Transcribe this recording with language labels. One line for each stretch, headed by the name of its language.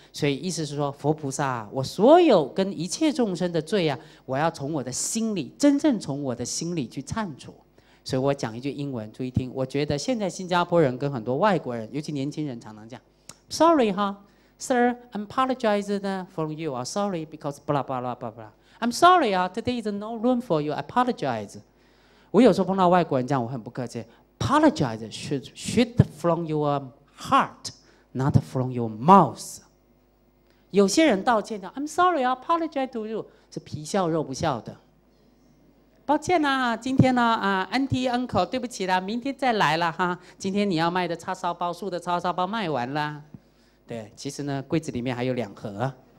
Chinese: 所以意思是说，佛菩萨，我所有跟一切众生的罪啊，我要从我的心里，真正从我的心里去忏除。所以我讲一句英文，注意听。我觉得现在新加坡人跟很多外国人，尤其年轻人，常常讲 ，
English: Sorry
Chinese: 哈 ，
English: Sir， I'm apologized for you. I'm sorry because blah blah blah blah blah. I'm sorry 啊 ，Today is no room for you. I apologize.
Chinese: 我有时候碰到外国人这样，我很不客气。
English: Apologize should from your heart, not from your mouth.
Chinese: 有些人道歉的 ，
English: I'm sorry, I apologize to you，
Chinese: 是皮笑肉不笑的。抱歉啦、啊，今天呢、啊，啊 ，Auntie Uncle， 对不起啦，明天再来了哈。今天你要卖的叉烧包，素的叉烧包卖完了。对，其实呢，柜子里面还有两盒。